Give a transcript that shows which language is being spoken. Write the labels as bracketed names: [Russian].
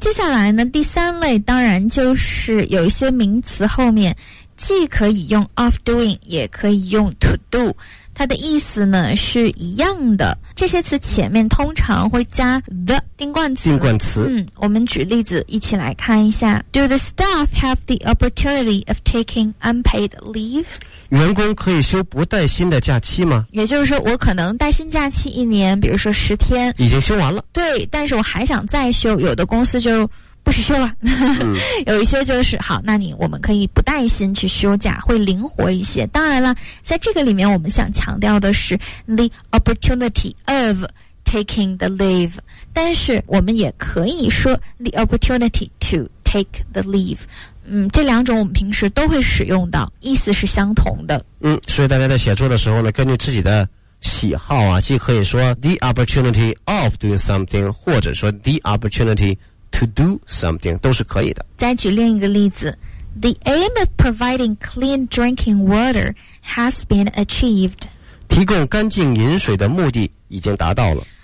[Chinese] 接下来呢第三类当然就是有一些名词后面既可以用 of doing 也可以用 to do，它的意思呢是一样的，这些词前面通常会加 the 定冠词。定冠词。我们举例子一起来看一下。 [English] Do the staff have the opportunity of taking unpaid leave？ [Chinese] 员工可以休不带薪的假期吗？也就是说我可能带薪假期一年，比如说十天。已经休完了。对，但是我还想再休，有的公司就不许休了。有一些就是好，那你我们可以不带薪去休假，会灵活一些。当然了，在这个里面我们想强调的是 [English] the opportunity of taking the leave， [Chinese] 但是我们也可以说 [English] the opportunity to take the leave。 [Chinese] 这两种我们平时都会使用到，意思是相同的。所以大家在写作的时候呢根据自己的喜好啊，既可以说 [English] the opportunity of doing something， [Chinese] 或者说 [English] the opportunityTo do something [Chinese] 都是可以的。再举另一个例子， [English] The aim of providing clean drinking water has been achieved， [Chinese] 提供干净饮水的目的已经达到了。